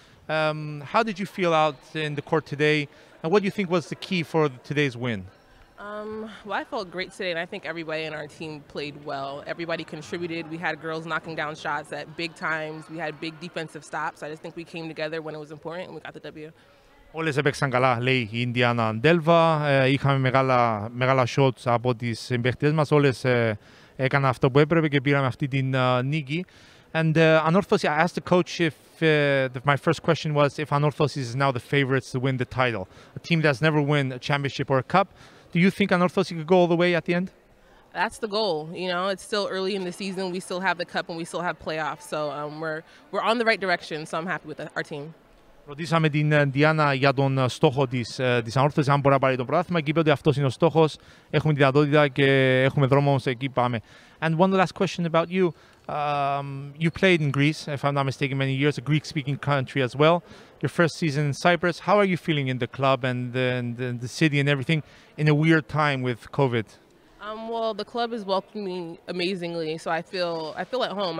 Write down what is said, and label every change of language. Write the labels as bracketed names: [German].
[English] How did you feel out in the court today, and what do you think was the key for today's win? Well, I felt great today, and I think everybody in our team played well. Everybody contributed. We had girls knocking down shots at big times. We had big defensive stops. I just think we came together when it was important, and we got the W. [Greek] Όλες έπαιξαν καλά, λέει η Ινδιάνα Ντέλβα. Είχαμε μεγάλα shots από τις συμπαίχτες μας. Όλες έκαναν αυτό που έπρεπε και πήραμε αυτή την νίκη. [English] And Anorthosis, I asked the coach if my first question was if Anorthosis is now the favorites to win the title, a team that's never won a championship or a cup. Do you think Anorthosis could go all the way at the end? That's the goal. You know, it's still early in the season. We still have the cup and we still have playoffs. So we're on the right direction. So I'm happy with our team. [Greek] Ρωτήσαμε την Ντιάνα για τον στόχο της Ανόρθωσης, αν μπορεί να πάρει το πρωτάθλημα, και είπε ότι αυτός είναι ο στόχος, έχουμε τη δυνατότητα και έχουμε δρόμο, όμως εκεί πάμε. [English] And one last question about you. You played in Greece, if I'm not mistaken, many years, a Greek-speaking country as well. Your first season in Cyprus. How are you feeling in the club and the city and everything in a weird time with COVID? Well, the club is welcoming amazingly, so I feel at home.